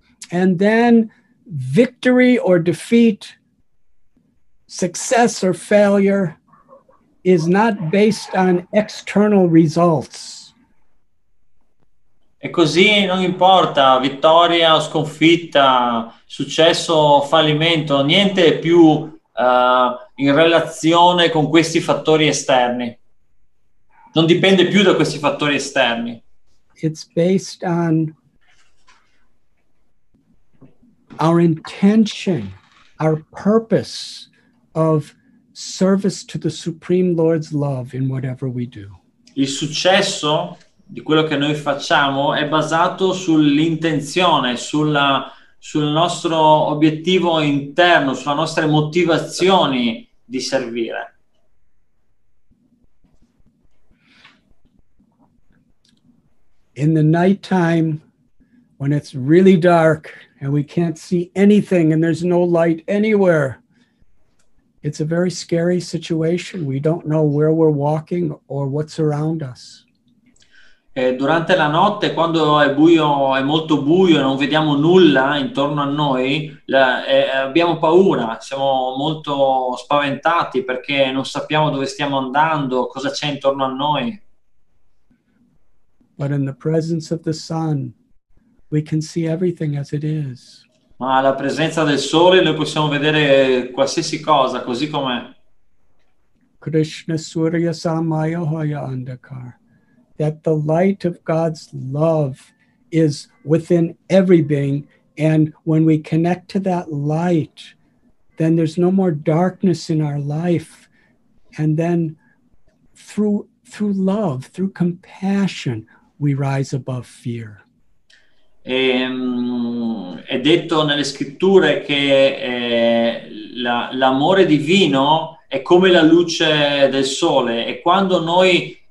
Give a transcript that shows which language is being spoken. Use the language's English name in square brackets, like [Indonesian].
[English] And then victory or defeat, success or failure is not based on external results. [Italian] E così non importa vittoria o sconfitta, successo o fallimento, niente è più in relazione con questi fattori esterni. Non dipende più da questi fattori esterni. [English] It's based on our intention, our purpose of service to the Supreme Lord's love in whatever we do. [Italian] Il successo di quello che noi facciamo è basato sull'intenzione, sul nostro obiettivo interno, sulle nostre motivazioni di servire. [English] In the nighttime, when it's really dark and we can't see anything and there's no light anywhere, it's a very scary situation. We don't know where we're walking or what's around us. [Italian] Durante la notte, quando è buio, è molto buio, non vediamo nulla intorno a noi, abbiamo paura, siamo molto spaventati perché non sappiamo dove stiamo andando, cosa c'è intorno a noi. [English] But in the presence of the sun, we can see everything as it is. [Italian] Ma alla presenza del sole noi possiamo vedere qualsiasi cosa, così com'è. [Sanskrit] Krishna Surya Samayohaya Andakar. [English] That the light of God's love is within every being, and when we connect to that light, then there's no more darkness in our life. And then through love, through compassion, we rise above fear. [Italian] È detto nelle scritture che l'amore divino è come la luce del sole, e quando noi